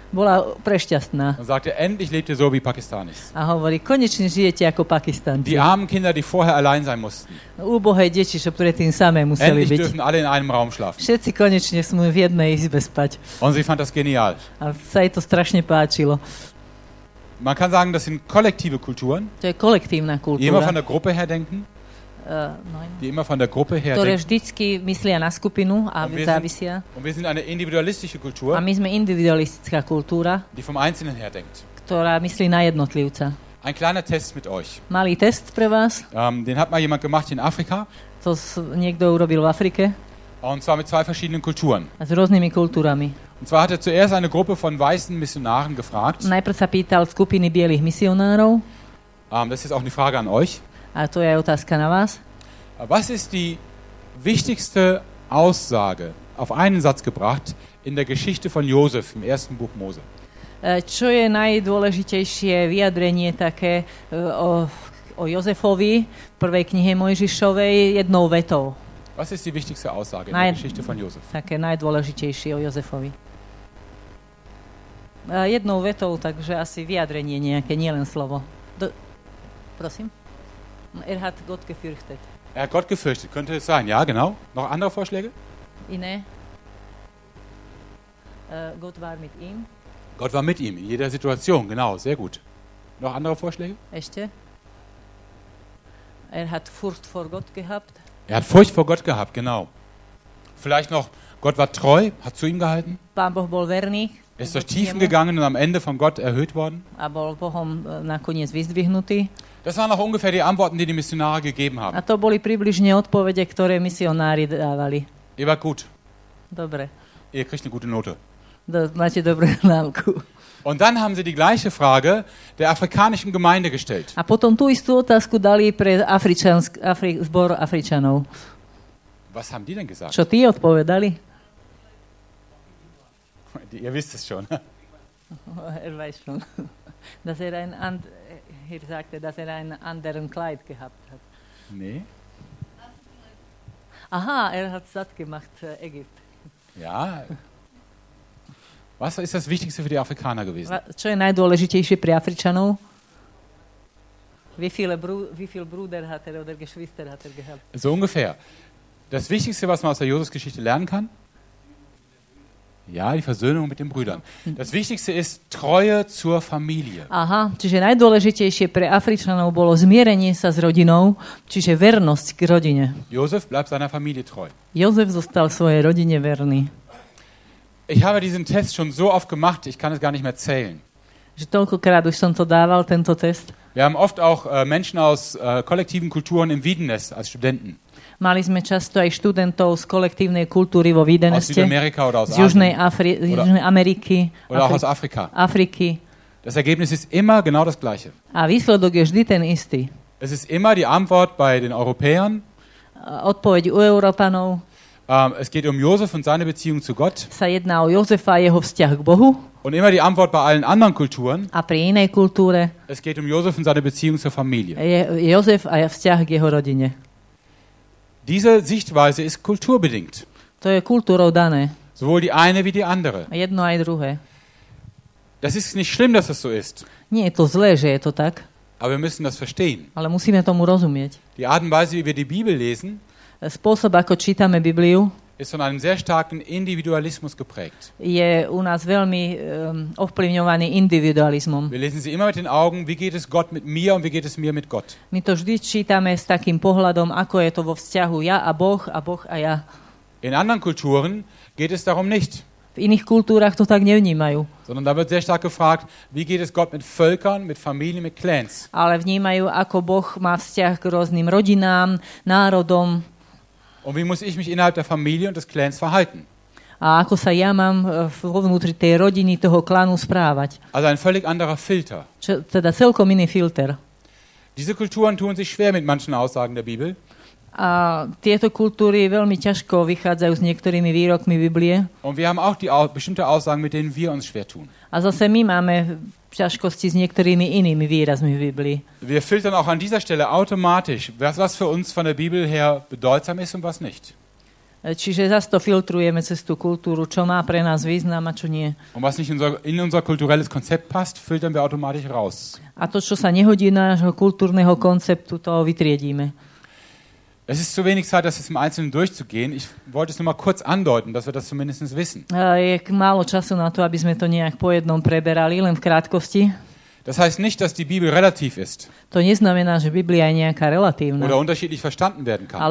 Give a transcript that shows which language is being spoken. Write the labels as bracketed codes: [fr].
[sk] Bola prešťastná. [de] Und sagte, endlich lebt ihr so wie Pakistanis. [sk] A hovorí, konečne žijete ako Pakistanci. [de] Die armen Kinder, die vorher allein sein mussten. [sk] Úbohé deti, čo predtým samé museli [de] endlich [sk] byť. [de] Endlich dürfen alle in einem Raum schlafen. [sk] Všetci konečne smú v jednej izbe spať. [de] Und sie fand das genial. [sk] A sa jej to strašne páčilo. [de] Man kann sagen, das sind kollektive Kulturen. [sk] To je kolektívna kultúra. [de] Die immer von der Gruppe her denken. Nein. Die immer von der Gruppe her denken. [sk] Ktoré vždycky myslia na skupinu a závisia. [de] Und wir sind eine individualistische Kultur. [sk] A my sme individualistická kultúra. [de] Die vom Einzelnen her denkt. [sk] Ktorá myslí na jednotlivca. [de] Ein kleiner Test mit euch. [sk] Malý test pre vás. [de] Den hat mal jemand gemacht in Afrika. [sk] To niekto urobil v Afrike. [de] Und zwar mit zwei verschiedenen Kulturen. [sk] A s rôznymi kultúrami. [de] Und zwar hat er zuerst eine Gruppe von weißen Missionaren gefragt. [sk] Najprv sa pýtal skupiny bielých misionárov. [de] Das ist auch eine Frage an euch. [sk] A to je otázka na vás. [de] Was ist die wichtigste Aussage auf einen Satz gebracht in der Geschichte von Josef im ersten Buch Mose? [sk] Čo je najdôležitejšie vyjadrenie také o Jozefovi v prvej knihe Mojžišovej jednou vetou? [de] Was ist die wichtigste Aussage in der Geschichte von Josef? [sk] Také najdôležitejšie o Jozefovi. Jednou vetou, takže asi vyjadrenie nejaké, nielen slovo. Prosím. [de] Er hat Gott gefürchtet. Er hat Gott gefürchtet, könnte es sein. Ja, genau. Noch andere Vorschläge? [sk] Iné. [de] Gott war mit ihm. Gott war mit ihm, in jeder Situation, genau, sehr gut. Noch andere Vorschläge? Echte. Er hat Furcht vor Gott gehabt. Er hat Furcht vor Gott gehabt, genau. Vielleicht noch, Gott war treu, hat zu ihm gehalten. [sk] Pán Boh bol verný. [de] Er ist durch Tiefen gegangen und am Ende von Gott erhöht worden. [sk] A bol Bohom nakoniec vyzdvihnutý. [de] Das waren auch ungefähr die Antworten, die Missionare gegeben haben. [sk] A to boli približne odpovede, ktoré misionári dávali. [de] Ihr war gut. [sk] Dobre. [de] Ihr kriegt eine gute Note. [sk] Máte dobrú známku. [de] Und dann haben sie die gleiche Frage der afrikanischen Gemeinde gestellt. [sk] A potom tú istú otázku dali pre zbor Afričanov. [de] Was haben die denn gesagt? [sk] Čo tí odpovedali? [de] Ihr wisst es schon. Er weiß schon. Dass er ein hier sagte, dass er ein anderen Kleid gehabt hat. Nee. Aha, er hat satt gemacht, Ägypten. Ja. Was ist das Wichtigste für die Afrikaner gewesen? [sk] Čo je najdôležitejšie pre Afričanov? [de] Wie viel Bruder hat er oder Geschwister hat er gehabt? So ungefähr. Das Wichtigste, was man aus der Josefsgeschichte lernen kann? Ja, die Versöhnung mit den Brüdern. Das Wichtigste ist Treue zur Familie. [sk] Aha, čiže najdôležitejšie pre Afričanov bolo zmierenie sa s rodinou, čiže vernosť k rodine. [de] Josef bleibt seiner Familie treu. [sk] Josef zostal svojej rodine verný. [de] Ich habe diesen Test schon so oft gemacht, ich kann es gar nicht mehr zählen. [sk] Že toľkokrát už som to dával, tento test. [de] Wir haben oft auch Menschen aus kollektiven Kulturen im Wiedenest als Studenten. [sk] Mali sme často aj študentov z kolektívnej kultúry vo Wiedeneste. Z Južnej Ameriky. [de] Oder auch aus Afrika. [sk] Afriky. [de] Das Ergebnis ist immer genau das gleiche. [sk] A výsledok je vždy ten istý. [de] Es ist immer die Antwort bei den Europäern. [sk] Odpoveď u Európanov. [de] Es geht um Josef und seine Beziehung zu Gott. [sk] Sa jedná o Josefa a jeho vzťah k Bohu. [de] Und immer die Antwort bei allen anderen Kulturen. [sk] A pri inej kultúre. [de] Es geht um Josef und seine Beziehung zur Familie. [sk] Josef a vzťah k jeho rodine. [de] Diese Sichtweise ist kulturbedingt. [sk] To je kultúrou dané. [de] Sowohl die eine wie die andere. [sk] Jedno aj druhé. [de] Das ist nicht schlimm, dass das so ist. [sk] Nie je to zlé, že je to tak. [de] Aber wir müssen das verstehen. [sk] Ale musíme tomu rozumieť. [de] Die Art und Weise, wie wir die Bibel lesen, [sk] spôsob, ako čítame Bibliu, [de] ist von einem sehr starken Individualismus geprägt. [sk] Je u nás veľmi ovplyvňovaný individualizmom. [de] Wir lesen sie immer mit den Augen, wie geht es Gott mit mir und wie geht es mir mit Gott. [sk] My to vždy čítame s takým pohľadom, ako je to vo vzťahu ja a Boh a ja. [de] In anderen Kulturen geht es darum nicht. [sk] V iných kultúrach to tak nevnímajú. [de] Sondern da wird sehr stark gefragt, wie geht es Gott mit Völkern, mit Familien, mit Clans. [sk] Ale vnímajú, ako Boh má vzťah k rôznym rodinám, národom. [de] Und wie muss ich mich innerhalb der Familie und des Clans verhalten? [sk] A ako sa ja mám vo vnútri tej rodiny, toho klanu správať? [de] Also ein völlig anderer Filter. [sk] Čo, teda celkom iný filter. [de] Diese Kulturen tun sich schwer mit manchen Aussagen der Bibel. [sk] A tieto kultúry veľmi ťažko vychádzajú s niektorými výrokmi Biblie. [de] Und wir haben auch die bestimmte Aussagen, mit denen wir uns schwer tun. [sk] A zase my máme ťažkosti s niektorými inými výrazmi v Biblii. [de] Wir filtern auch an dieser Stelle automatisch, was für uns von der Bibel her bedeutsam ist und was nicht. [sk] Čiže zase to filtrujeme cez tú kultúru, čo má pre nás význam a čo nie. [de] Und was nicht in unser kulturelles Konzept passt, filtern wir automatisch raus. [sk] A to, čo sa nehodí nášho kultúrneho konceptu, to vytriedíme. [de] Es ist zu wenig Zeit, das jetzt im Einzelnen durchzugehen. Ich wollte es nur mal kurz andeuten, dass wir das zumindest wissen. [sk] Je málo času na to, aby sme to nejak po jednom preberali, len v krátkosti. [de] Das heißt nicht, dass die Bibel relativ ist. [sk] To neznamená, že Biblia je nejaká relatívna. [de] Oder unterschiedlich verstanden werden kann.